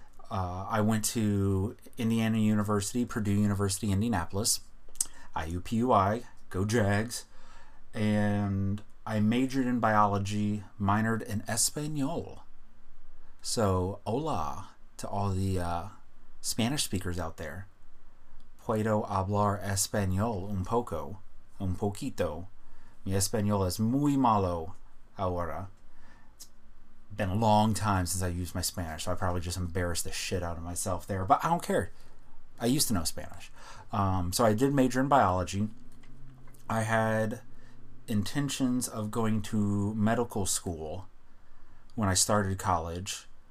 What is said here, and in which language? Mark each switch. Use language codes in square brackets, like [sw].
[en] I went to Indiana University, Purdue University, Indianapolis, IUPUI, go Jags, and I majored in biology, minored in Espanol. So, hola to all the Spanish speakers out there. [es] Puedo hablar Espanol un poco, un poquito. Mi Espanol es muy malo ahora. [en] Been a long time since I used my Spanish, so I probably just embarrassed the shit out of myself there, but I don't care. I used to know Spanish. So I did major in biology. I had intentions of going to medical school when I started college.